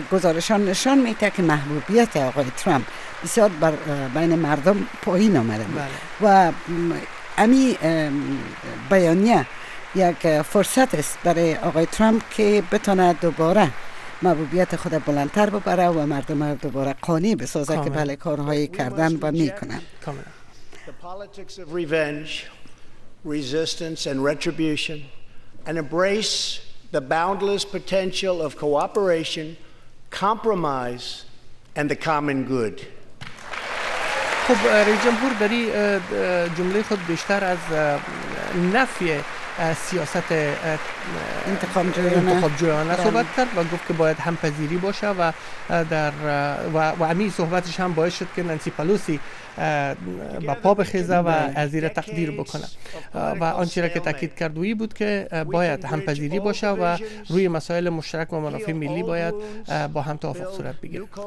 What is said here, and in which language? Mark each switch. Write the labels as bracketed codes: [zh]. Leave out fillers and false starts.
[fa] گزارشان نشان میده که محبوبیت آقای ترامپ بسیار بین مردم پایین آمده بله. و امی بیانیه یک فرصت است برای آقای ترامپ که بتونه دوباره محبوبیت خود بلندتر ببره و مردم را دوباره قانع بسازه که بله کارهایی کردن و میکنن. [en] The politics of revenge, resistance and retribution and embrace the boundless potential of cooperation, compromise and the common good. [fa] خب رئیس جمهور در جمله خود بیشتر از نفی سیاست انتخاب جویانه صحبت کرد و گفت که باید همپذیری باشه و در و امی صحبتش هم باعث شد که نانسی پلوسی با پا بخیزه و ازیر تقدیر بکنه و آنچه را که تاکید کرد وی بود که باید همپذیری باشه و روی مسائل مشترک و منافع ملی باید با هم توافق صورت بگیره.